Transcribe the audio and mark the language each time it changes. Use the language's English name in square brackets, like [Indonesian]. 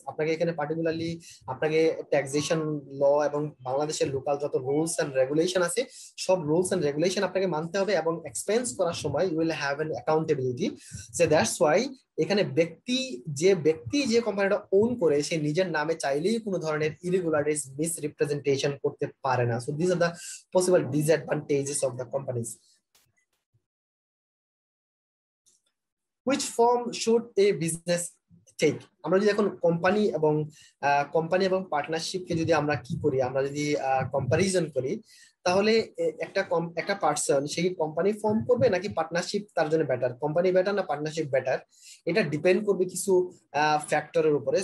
[Bangla] আপনাকে এখানে পার্টিকুলারলি আপনাকে ট্যাক্সেশন ল এবং বাংলাদেশের লোকাল যত রুলস অ্যান্ড রেগুলেশন আছে সব রুলস অ্যান্ড রেগুলেশন আপনাকে মানতে হবে এবং এক্সপেন্স করার সময় [English] You will have an accountability. So that's why [Bangla] এখানে যে ব্যক্তি যে কোম্পানিটা ওন করে সে নিজের নামে চাইলেই কোনো ধরনের ইরেগুলারিটিস মিস রিপ্রেজেন্টেশন করতে পারে না। [English] So this are the possible disadvantages of the companies. Which form should a business [Bangla] ঠিক, আমরা যদি এখন কোম্পানি এবং পার্টনারশিপ কে যদি আমরা কি করি, আমরা যদি কম্পারিজন করি, তাহলে একটা একটা পার্সন সে কি কোম্পানি ফর্ম করবে নাকি পার্টনারশিপ তার জন্য বেটার, কোম্পানি বেটার না পার্টনারশিপ বেটার, এটা ডিপেন্ড করবে কিছু ফ্যাক্টরের উপরে।